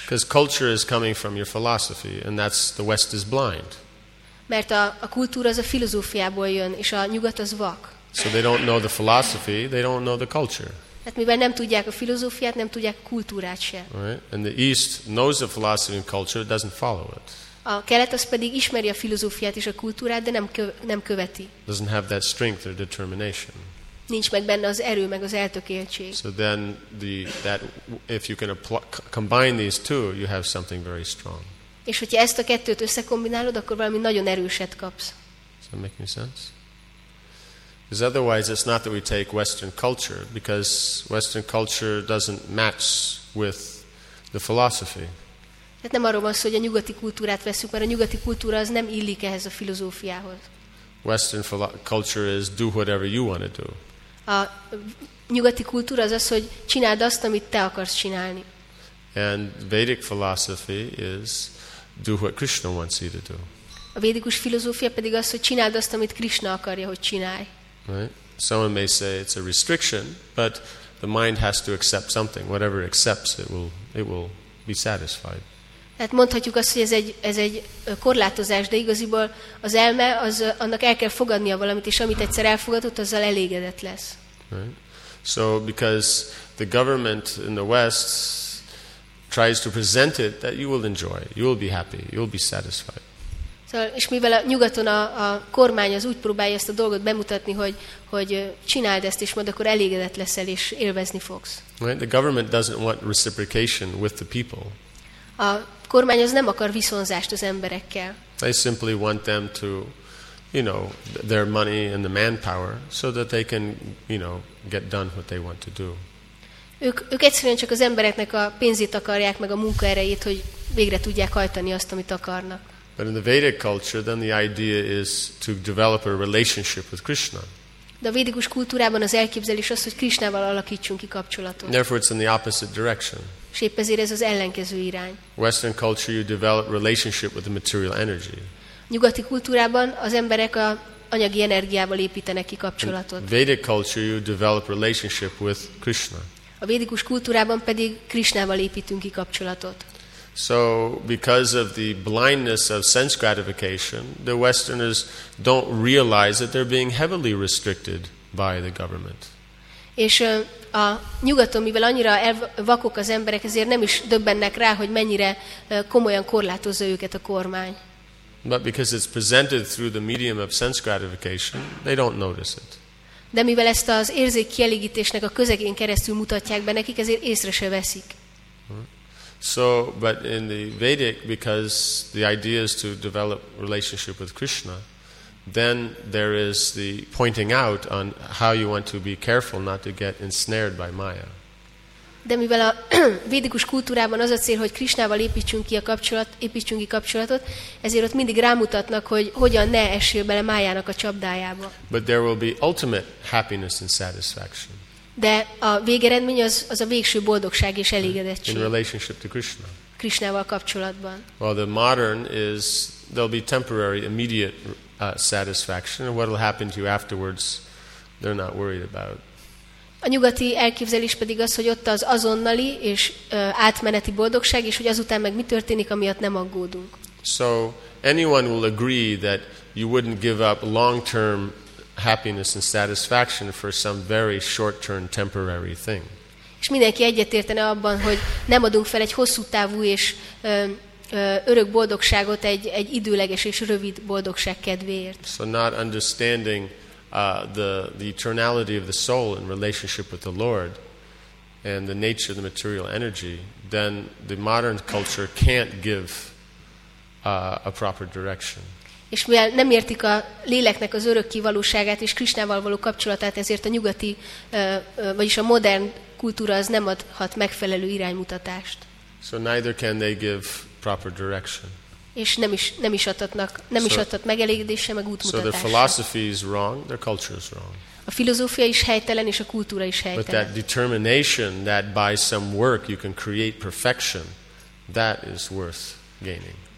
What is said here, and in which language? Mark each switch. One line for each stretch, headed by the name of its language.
English: Because culture is coming from your philosophy, and that's the West is blind.
Hungarian: Mert a kultúra az a filozófiából jön, és a nyugat az vak.
English: So they don't know the philosophy, they don't know the culture.
Hungarian: Tehát mivel nem tudják a filozófiát, nem tudják a kultúrát sem.
English: Right. And the East knows the philosophy and culture, it doesn't follow it.
Hungarian: A kelet az pedig ismeri a filozófiát és a kultúrát, de nem követi.
English: Doesn't have that strength or determination.
Hungarian: Nincs meg benne az erő, meg az eltökéltség.
English: So then that if you can combine these two, you have something very strong.
Hungarian: És hogyha ezt a kettőt összekombinálod, akkor valami nagyon erőset kapsz.
English: Does that make any sense? Because otherwise it's not that we take Western culture, because Western culture doesn't match with the philosophy.
Hungarian: Tehát nem arról van szó, hogy a nyugati kultúrát veszünk, mert a nyugati kultúra az nem illik ehhez a filozófiához.
English: Western culture is do whatever you want to do.
Hungarian: A nyugati kultúra az az, hogy csináld azt, amit te akarsz csinálni.
English: And Vedic philosophy is do what Krishna wants you to do.
Hungarian: A védikus filozófia pedig az, hogy csináld azt, amit Krishna akarja, hogy csinálj.
English: Right? Someone may say it's a restriction, but the mind has to accept something. Whatever it accepts, it will be satisfied.
Hungarian: Hát mondhatjuk azt, hogy ez egy korlátozás, de igaziból az elme, az annak el kell fogadnia valamit, és amit egyszer elfogadott, azzal elégedett lesz.
English: Right. So because the government in the West tries to present it that you will enjoy, you will be happy, you will be satisfied.
Hungarian: Szóval, és mivel a nyugaton a kormány az úgy próbálja ezt a dolgot bemutatni, hogy csináld ezt, és majd akkor elégedett leszel, és élvezni fogsz.
English: Right? The government doesn't want reciprocation with the people.
Hungarian: A kormány az nem akar viszonzást az emberekkel.
English: They simply want them to, you know, their money and the manpower, so that they can, you know, get done what they want to do.
Hungarian: Ők egyszerűen csak az embereknek a pénzét akarják, meg a munkaerejét, hogy végre tudják hajtani azt, amit akarnak.
English: But in the Vedic culture, then the idea is to develop a relationship with Krishna.
Hungarian: De a védikus kultúrában az elképzelés az, hogy Krishnával alakítsunk ki kapcsolatot.
English: Therefore, it's in the opposite direction.
Hungarian: És épp ezért ez az ellenkező irány.
English: Western culture, you develop relationship with the material energy.
Hungarian: Nyugati kultúrában az emberek a anyagi energiával építenek ki kapcsolatot.
English: In Vedic culture, you develop relationship with Krishna.
Hungarian: A védikus kultúrában pedig Krishnával építünk ki kapcsolatot.
English: So because of the blindness of sense gratification, the Westerners don't realize that they're being heavily restricted by the government.
Hungarian: És a nyugaton, mivel annyira vakok az emberek, ezért nem is döbbennek rá, hogy mennyire komolyan korlátozza őket a kormány.
English: But because it's presented through the medium of sense gratification, they don't notice it.
Hungarian: De mivel ezt az érzékkielégítésnek a közegén keresztül mutatják be nekik, ezért észre se veszik.
English: So, but in the Vedic, because the idea is to develop relationship with Krishna, then there is the pointing out on how you want to be careful not to get ensnared by Maya.
Hungarian: De mivel a védikus kultúrában az a cél, hogy Krishnával építsünk ki kapcsolatot, ezért ott mindig rámutatnak, hogy hogyan ne essél bele Mayának a csapdájába.
English: But there will be ultimate happiness and satisfaction.
Hungarian: De a végeredmény az a végső boldogság és elégedettség.
English: In relationship to Krishna.
Hungarian: Krishnával kapcsolatban.
English: Well, the modern is there'll be temporary, immediate satisfaction, and what'll happen to you afterwards, they're not worried about.
Hungarian: A nyugati elképzelés pedig az, hogy ott az azonnali és átmeneti boldogság, és hogy azután meg mi történik, amiatt nem aggódunk.
English: So anyone will agree that you wouldn't give up long-term happiness and satisfaction for some very short-term temporary thing.
Hungarian: És mindenki egyetértene abban, hogy nem adunk fel egy hosszú távú és örök boldogságot egy időleges és rövid boldogság kedvéért.
English: So not understanding the eternality of the soul in relationship with the Lord and the nature of the material energy, then the modern culture can't give a proper direction.
Hungarian: És mivel nem értik a léleknek az örökké valóságát és Krisnával való kapcsolatát, ezért a nyugati, vagyis a modern kultúra az nem adhat megfelelő iránymutatást.
English: So neither can they give proper direction.
Hungarian: És nem is adhat megelégedésre, meg útmutatásra.
English: So the philosophy is wrong, their culture is wrong.
Hungarian: A filozófia is helytelen, és a kultúra is helytelen.
English: But that determination that by some work you can create perfection, that is worth gaining.